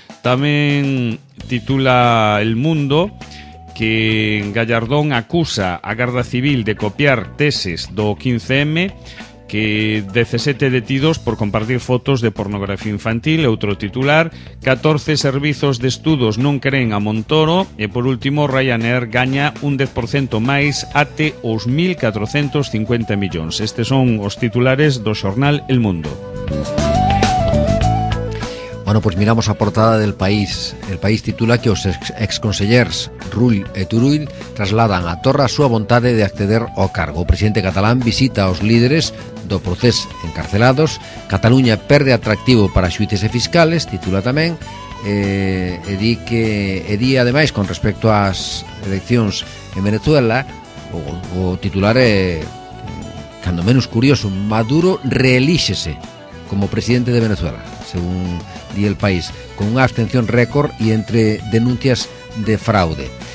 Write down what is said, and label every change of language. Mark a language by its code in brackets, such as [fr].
[gl] Tamén titula El Mundo que Gallardón acusa a Garda Civil de copiar teses do 15M, que 17 detidos por compartir fotos de pornografía infantil, outro titular, 14 servizos de estudos non creen a Montoro, e por último Ryanair gaña un 10% máis até os 1.450 millóns. Estes son os titulares do xornal El Mundo. [es] Bueno, pues miramos a portada del País. [gl] El País titula que os exconsellers Rull e Turull trasladan a Torra a súa vontade de acceder ao cargo. O presidente catalán visita aos líderes do procés encarcelados. Cataluña perde atractivo para xuíces e fiscales, titula tamén. E di ademais, con respecto ás eleccións en Venezuela, o titular é, cando menos curioso, Maduro reelíxese como presidente de Venezuela, según di El País, con unha abstención récord e entre denuncias de fraude.